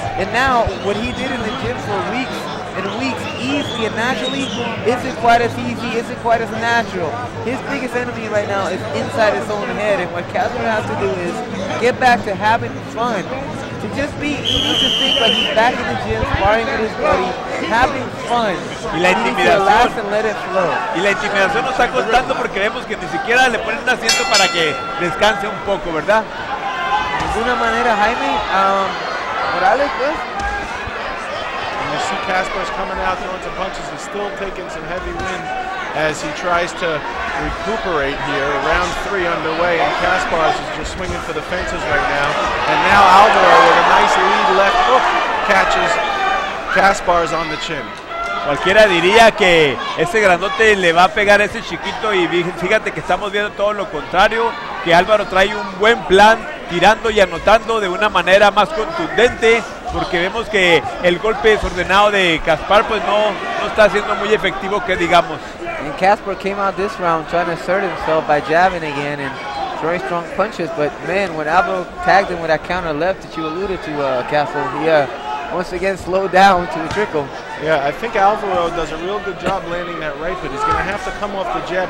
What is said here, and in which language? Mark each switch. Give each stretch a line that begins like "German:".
English: And now, what he did in the gym for weeks and weeks, easily and naturally, isn't quite as easy, isn't quite as natural. His biggest enemy right now is inside his own head. And what Kaspars has to do is get back to having fun. To just be, he needs to think like he's back in the gym, sparring with his buddy, having fun.
Spanish: Y la intimidación.
English: Let it flow.
Spanish: Y la intimidación nos está costando porque vemos que ni siquiera le ponen un asiento para que descanse un poco, ¿verdad? De una manera, Jaime, Morales, pues.
English: And you see Kaspars coming out, throwing some punches, and still taking some heavy wind as he tries to recuperate here. Round three underway, and Kaspars is just swinging for the fences right now. And now Alvaro with a nice lead left hook catches Kaspars on the chin.
Spanish: Cualquiera diría que ese grandote le va a pegar a ese chiquito, y fíjate que estamos viendo todo lo contrario, que Alvaro trae un buen plan, tirando y anotando de una manera más contundente, porque vemos que el golpe desordenado de Kaspars pues no está siendo muy efectivo, que digamos.
English: And Kaspars came out this round trying to assert himself by jabbing again and throwing strong punches, but man, when Alvaro tagged him with that counter left that you alluded to, Castle, he once again slowed down to the trickle. Yeah, I think Alvaro does a real good job landing that right, but he's going to have to come off the jab.